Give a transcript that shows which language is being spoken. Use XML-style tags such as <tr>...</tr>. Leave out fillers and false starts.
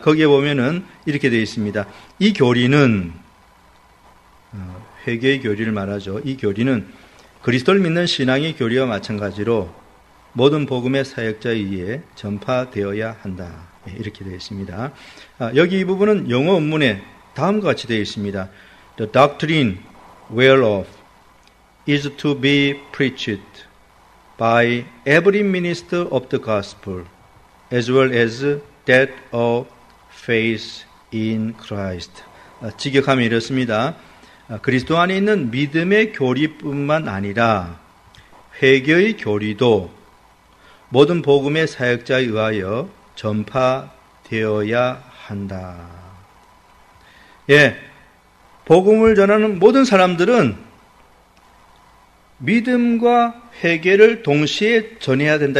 <ko>거기에 보면은 이렇게 되어 있습니다. 이 교리는 회개의 교리를 말하죠. 이 교리는 그리스도를 믿는 신앙의 교리와 마찬가지로 모든 복음의 사역자에 의해 전파되어야 한다. 이렇게 되어 있습니다. 여기 이 부분은 영어 원문에 다음과 같이 되어 있습니다.</ko> <en>The doctrine whereof is to be preached by every minister of the gospel as well as that of faith in Christ.</en> <ko>직역하면 이렇습니다. 그리스도 안에 있는 믿음의 교리뿐만 아니라 회개의 교리도 모든 복음의 사역자에 의하여 전파되어야 한다. 예, 복음을 전하는 모든 사람들은 믿음과 회개를 동시에 전해야 된다.</ko>